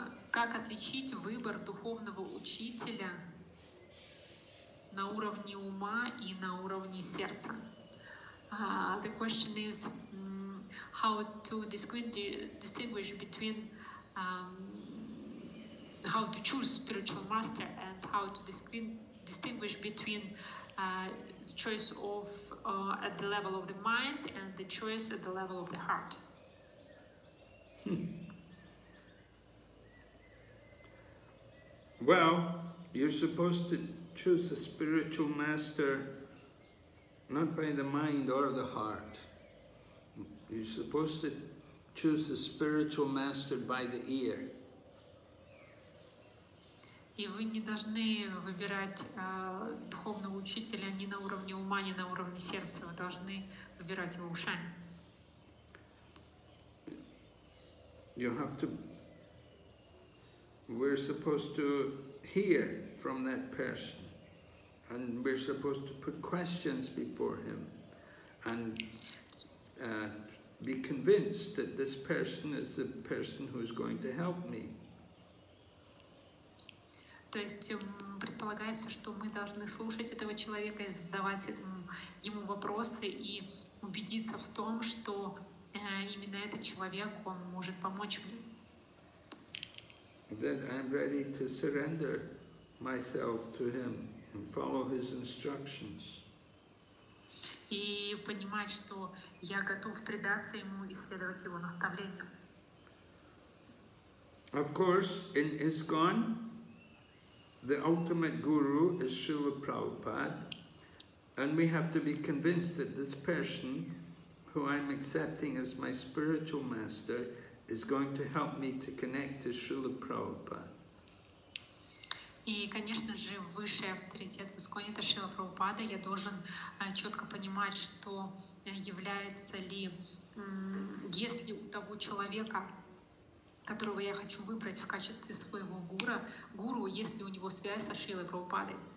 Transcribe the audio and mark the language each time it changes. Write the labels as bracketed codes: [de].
[ru] Как отличить выбор духовного учителя на уровне ума и на уровне сердца? [en] The question is how to distinguish between how to choose spiritual master and how to distinguish between the choice of at the level of the mind and the choice at the level of the heart. Well, you're supposed to choose a spiritual master not by the mind or the heart. You're supposed to choose a spiritual master by the ear. [ru] И вы не должны выбирать духовного учителя ни на уровне ума, ни на уровне сердца. Вы должны выбирать его ушами. [en] You have to. We're supposed to hear from that person, and we're supposed to put questions before him, and be convinced that this person is the person who's going to help me. [ru] То есть предполагается, что мы должны слушать этого человека и задавать ему вопросы и убедиться в том, что именно этот человек, он может помочь мне. [en] That I'm ready to surrender myself to him and follow his instructions. [ru] И понимать, что я готов предаться ему и следовать его наставлениям. [en] Of course, in ISKCON, the ultimate guru is Srila Prabhupada, and we have to be convinced that this person who I'm accepting as my spiritual master is going to help me to connect to Srila Prabhupada. [ru] И, конечно же, высший авторитет в ИСККОНе это Шрила Прабхупада. Я должен четко понимать, что является ли, есть ли у того человека, которого я хочу выбрать в качестве своего гуру, есть ли у него связь со Шрилой Прабхупадой.